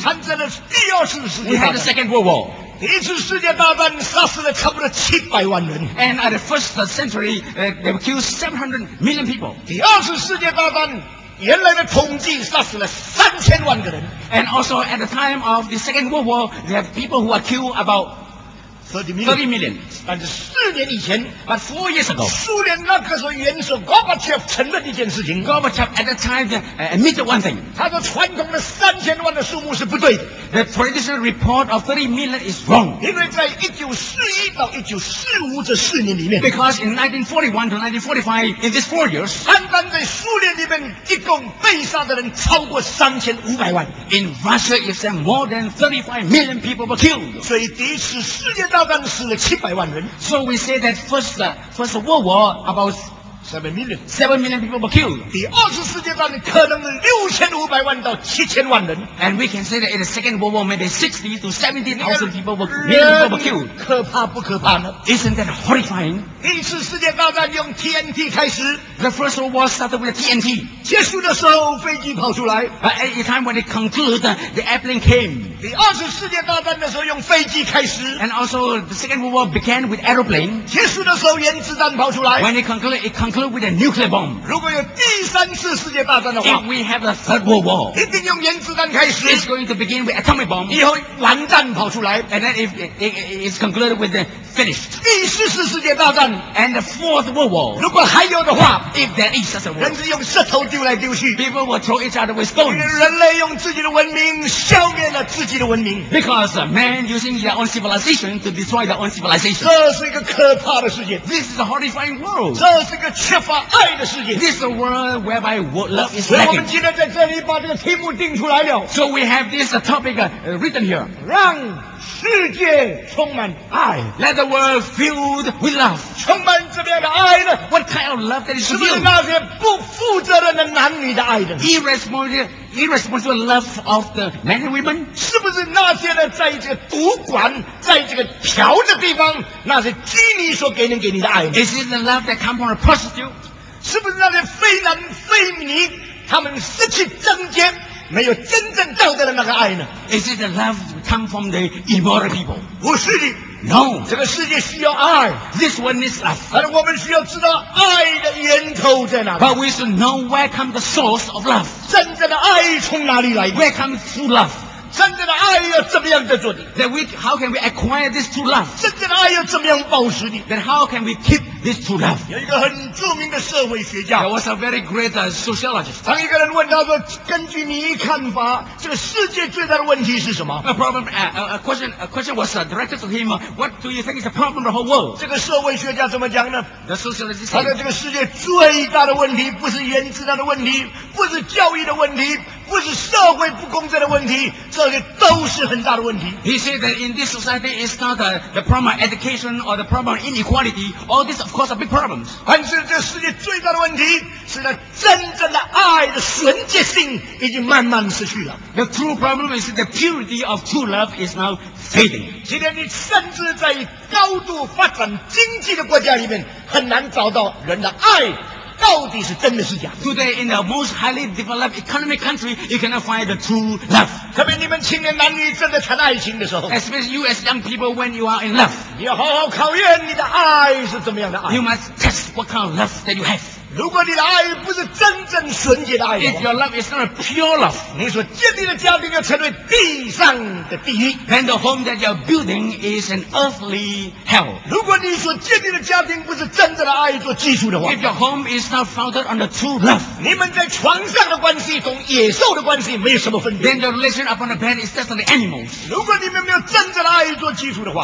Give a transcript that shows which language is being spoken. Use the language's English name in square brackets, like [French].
[Chinese] 产生了第二次世界大战。 [English] We had the Second World War. [Chinese] 第一次世界大战杀死了差不多700万人。 [English] And at the First century, they were killed 700 million people. [Chinese] 第二次世界大战原来的统计杀死了3000万个人。 [English] And also at the time of the Second World War, there are people who are killed about 30 million. [Chinese] 但是4年以前 [English] ，But 4 years ago， [Chinese] 苏联那个时候元首 Gorbachev 承认一件事情。 [English] Gorbachev at the time admitted one thing。 [Chinese] 他说传统的3000万的数目是不对的。 [English] The traditional report of 30 million is wrong。 [Chinese] 因为在1941到1945这4年里面 [English] ，Because in 1941 to 1945 in these 4 years， [Chinese] 单单在苏联里面一共被杀的人超过3500万。 [English] In Russia itself, more than 35 million people were killed。 [Chinese] 所以第一次世界大战死了700万人。 [English] So we say that first World War about 7 million. 7 million people were killed. [Chinese] 第二次世界大战可能6500万到7000万人。 [English] And we can say that in the Second World War maybe 60,000 to 70,000 people were killed. [Chinese] 可怕不可怕呢 [English] ？Isn't that horrifying? [Chinese] 第一次世界大战用 TNT 开始。 [English] The First World War started with TNT. [Chinese] 结束的时候飞机跑出来。 [English] But at the time when it concluded, the airplane came. [Chinese] 第二次世界大战的时候用飞机开始 [English] ，and also the Second World War began with aeroplane。 [Chinese] 结束的时候原子弹跑出来 [English] ，when it concluded with a nuclear bomb。 [Chinese] 如果有第三次世界大战的话 [English] ，if we have a Third World War， [Chinese] 一定用原子弹开始 [English] ，it's going to begin with atomic bomb。 [Chinese] 以后蓝弹跑出来 [English] ，and then if it's concluded with the finished。 [Chinese] 第四次世界大战 [English] ，and the Fourth World War。 [Chinese] 如果还有的话 [English] If there is such a world. [Chinese] 人是用石头丢来丢去。 [English] People will throw each other with stones. [Chinese] 人类用自己的文明消灭了自己的文明。 [English] Because man using their own civilization to destroy their own civilization. [Chinese] 这是一个可怕的世界。 [English] This is a horrifying world. [Chinese] 这是一个缺乏爱的世界。 [English] This is a world whereby love is lacking. [Chinese] 我们今天在这里把这个题目定出来了。 [English] So we have this topic written here. [Chinese] 让世界充满爱。 [English] Let the world filled with love. [Chinese] 充满这边的爱呢？ [English] What kind of love that is filled? [Chinese] 是不是那些不负责任的男女的爱的？ [English] Irresponsible love of the men and women? [Chinese] 是不是那些呢？在这个赌馆，在这个嫖的地方，那些妓女所给你的爱呢？ [English] Is it the love that comes from a prostitute? [Chinese] 是不是那些非男非女，他们失去贞洁？没有真正道德的那个爱呢？ [English] Is it the love come from the immoral people? [Chinese] 不是的。 [English] No. [Chinese] 这个世界需要爱。 [English] This one needs love. [Chinese] 而我们需要知道爱的源头在哪里。 [English] But we should know where come the source of love. [Chinese] 真正的爱从哪里来的？ [English] Where come true love? [Chinese] 真正的爱要怎么样得着的？ [English] Then we, how can we acquire this true love? [Chinese] 真正的爱要怎么样保持的？ [English] Then how can we keep this true love? [Chinese] 有一个很著名的社会学家。 [English] There was a very great sociologist. [Chinese] 当一个人问他说，根据你看法，这个世界最大的问题是什么？ [English] A problem, a question was directed to him, what do you think is the problem of the whole world? [Chinese] 这个社会学家怎么讲呢？ [English] The sociologist [Chinese] 他说这个世界最大的问题不是原子弹的问题，不是教育的问题，不是社会不公正的问题，这些都是很大的问题。 [English] He said that in this society, it's not the problem of education or the problem of inequality. All these, of course, are big problems. [Chinese] 但是这世界最大的问题是那真正的爱的纯洁性已经慢慢失去了。 [English] The true problem is the purity of true love is now fading. [Chinese] 今天你甚至在高度发展经济的国家里面，很难找到人的爱。到底是真的是假的？ [English] Today in the most highly developed economic country, you cannot find the true love. [Chinese] 特别你们青年男女真的谈爱情的时候， [English] especially you as young people when you are in love, [Chinese] 你要好好考验你的爱是怎么样的爱。 [English] You must test what kind of love that you have. [Chinese] 如果你的爱不是真正纯洁的爱， [English] if your love is not a pure love, [Chinese] 你所建立的家庭要成为地上的地狱， [English] then the home that you're building is an earthly hell. [Chinese] 如果你所建立的家庭不是真正的爱做基础的话， [English] if your home isIt's not founded on the true love. [Chinese] 你们在床上的关系跟野兽的关系没有什么分别。 [English] Then the relation upon the bed is just the animals. [Chinese] 如果你们没有真正的爱做基础的话，